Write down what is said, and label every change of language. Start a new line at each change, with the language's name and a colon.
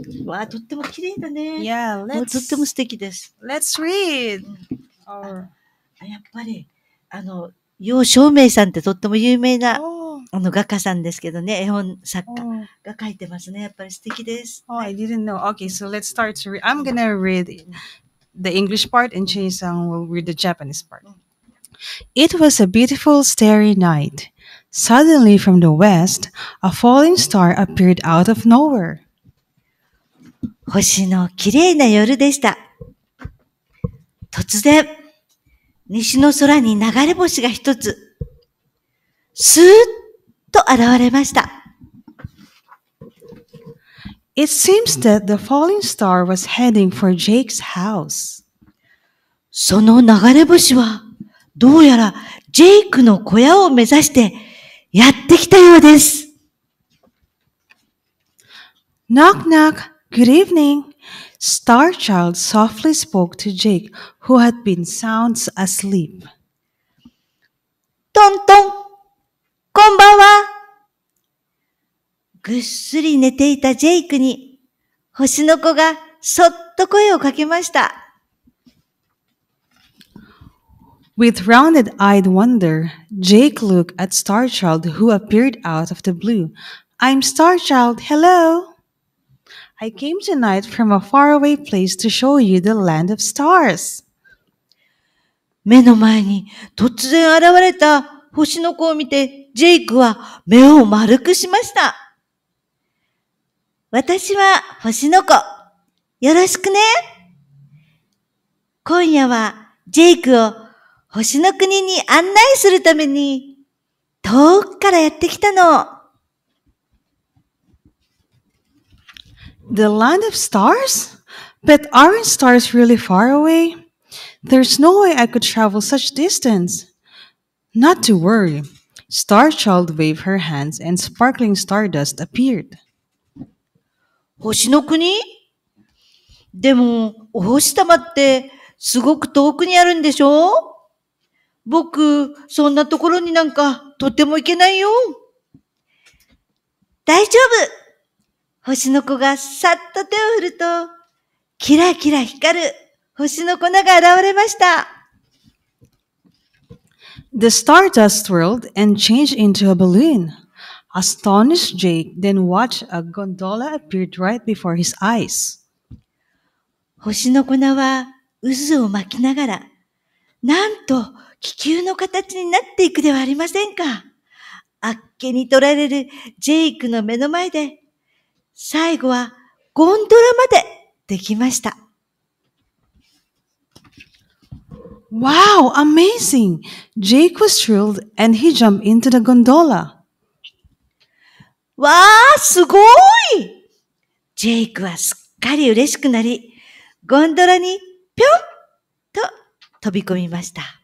Japanese: わあ、とっても綺麗だね。
English: Yeah,
Japanese: とっても素敵です。
English: Let's read! Our...
Japanese: やっぱり、ヨウ・ショウメイさんってとっても有名な、oh. 画家さんですけどね、絵本作家が書いてますね。やっぱり素敵です。
English: Oh, I didn't know. Okay, so let's start to read. I'm gonna read the English part and Chinese-san will read the Japanese part. It was a beautiful starry night. Suddenly from the west, a falling star appeared out of nowhere.
Japanese: 星の綺麗な夜でした。突然、西の空に流れ星が一つ、スーッと現れました。
English: It seems that the falling star was heading for Jake's house.
Japanese: その流れ星は、どうやらジェイクの小屋を目指してやってきたようです。
English: Knock knock, good evening. Star Child softly spoke to Jake, who had been sound asleep.
Japanese: トントン、こんばんは。ぐっすり寝ていたジェイクに、星の子がそっと声をかけました。
English: With rounded-eyed wonder, Jake looked at Star Child, who appeared out of the blue. I'm Star Child, hello! I came tonight from a faraway place to show you the land of stars.
Japanese: 目の前に突然現れた星の子を見て、ジェイクは目を丸くしました。私は星の子。よろしくね。今夜はジェイクを星の国に案内するために遠くからやってきたの。
English: The land of stars? But aren't stars really far away? There's no way I could travel such distance. Not to worry. Star Child waved her hands and sparkling stardust appeared.
Japanese: 星の国？でも、お星様ってすごく遠くにあるんでしょ？僕、そんなところになんかとても行けないよ。大丈夫！星の子がさっと手を振ると、キラキラ光る星の粉が現れました。
English: The stardust swirled and changed into a balloon. Astonished Jake then watched a gondola appear right before his eyes.
Japanese: 星の粉は渦を巻きながら、なんと気球の形になっていくではありませんか。あっけに取られるジェイクの目の前で、最後はゴンドラまでできました。
English: Wow, amazing! Jake was thrilled and he jumped into the gondola.
Japanese: わあ、すごい！ジェイクはすっかり嬉しくなり、ゴンドラにぴょんと飛び込みました。